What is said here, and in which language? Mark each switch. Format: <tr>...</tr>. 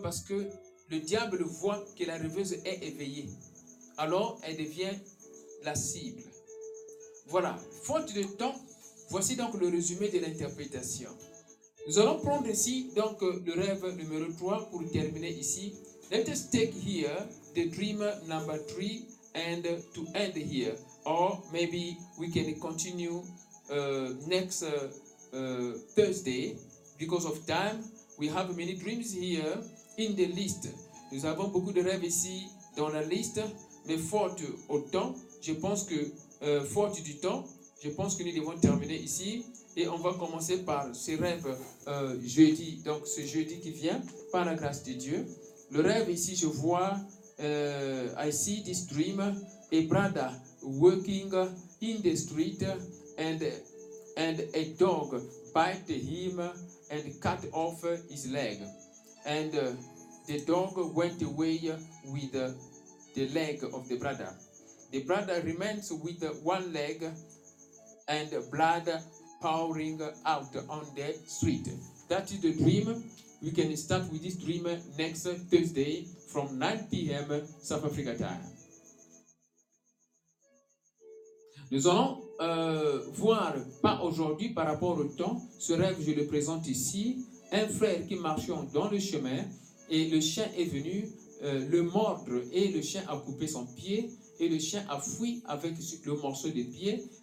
<fr>Parce que le diable voit que la rêveuse est éveillée. Alors, elle devient la cible. Voilà, faute de temps, voici donc le résumé de l'interprétation. Nous allons prendre ici donc le rêve numéro 3 pour terminer ici.</fr> <en>Let us take here the dream number 3 and to end here. Or maybe we can continue next Thursday because of time. We have many dreams here in the list.</en> <fr>Nous avons beaucoup de rêves ici dans la liste, mais faute au temps, je pense que faute du temps, je pense que nous devons terminer ici. Et on va commencer par ce rêve jeudi, donc ce jeudi qui vient, par la grâce de Dieu.</fr> <en>Le rêve ici, je vois, I see this dream, a brother walking in the street and a dog bite him and cut off his leg. And the dog went away with the leg of the brother. The brother remains with one leg and blood pouring out on the street. That is the dream. We can start with this dream next Thursday from 9 p.m. South Africa time.</en> <fr>Nous allons voir, pas aujourd'hui par rapport au temps, ce rêve je le présente ici. Un frère qui marchait dans le chemin et le chien est venu le mordre et le chien a coupé son pied et le chien a fui avec le morceau de pied.</fr>